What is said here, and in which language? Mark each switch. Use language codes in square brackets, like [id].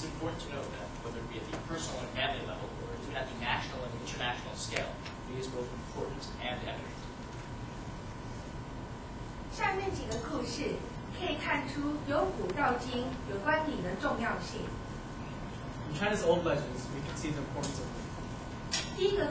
[en] it's important to note that, whether it be at the personal and family level, or even at the national and international scale, it is both important and evident. [zh] 下面几个故事可以看出由古到今有关鼎的重要性。In [en] China's old legends, we can see the importance of it.